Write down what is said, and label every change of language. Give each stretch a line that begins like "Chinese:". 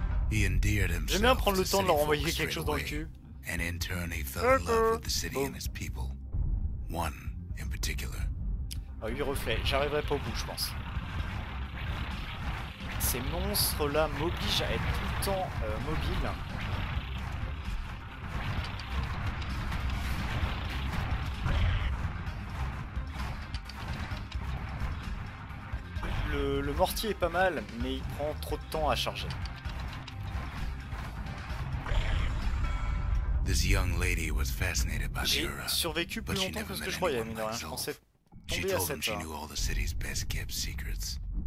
French: J'aime bien prendre le temps de leur envoyer quelque chose dans le cul.
English: And in turn he fell in love with the city and its people. One in particular.
French: Ah, 8 reflets, j'arriverai pas au bout, je pense. Ces monstres-là m'obligent à être tout le temps mobile. Le mortier est pas mal, mais il prend trop de temps à charger.
English: This young lady was fascinated by the
French: Ura, survécu plus longtemps que ce que je croyais, mine de rien. Je pensais tomber à cette heure.
English: She knew all the city's best kept secrets.